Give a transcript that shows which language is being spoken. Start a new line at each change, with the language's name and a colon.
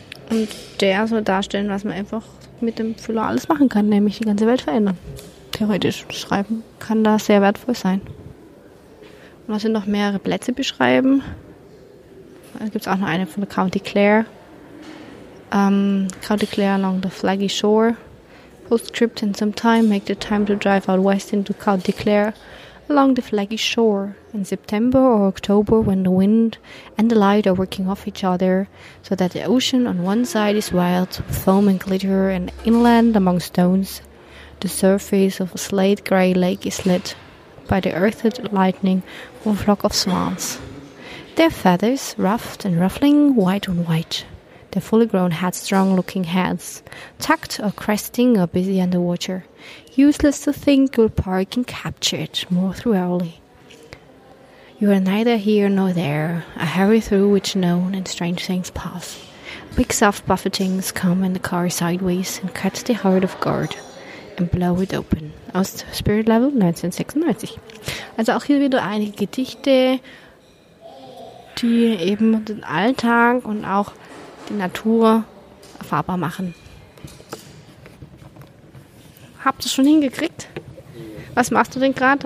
German: Und der soll darstellen, was man einfach mit dem Füller alles machen kann, nämlich die ganze Welt verändern. Theoretisch schreiben kann da sehr wertvoll sein. Und da sind noch mehrere Plätze beschrieben. Da gibt es auch noch eine von der County Clare.
English: County Clare along the flaggy shore. Postscript in some time, make the time to drive out west into County Clare along the flaggy shore. In September or October, when the wind and the light are working off each other, so that the ocean on one side is wild, foam and glitter, and inland among stones, the surface of a slate-gray lake is lit by the earthed lightning of a flock of swans. Their feathers, ruffed and ruffling, white on white. Their fully grown headstrong-looking heads, tucked or cresting or busy underwater. Useless to think you'll park and capture it more thoroughly. You are neither here nor there, a hurry through which known and strange things pass. Big soft buffetings come in the car sideways and cut the heart of God. And blow it open.
German: Aus Spirit Level 1996. Also auch hier wieder einige Gedichte, die eben den Alltag und auch die Natur erfahrbar machen. Habt ihr schon hingekriegt? Was machst du denn gerade?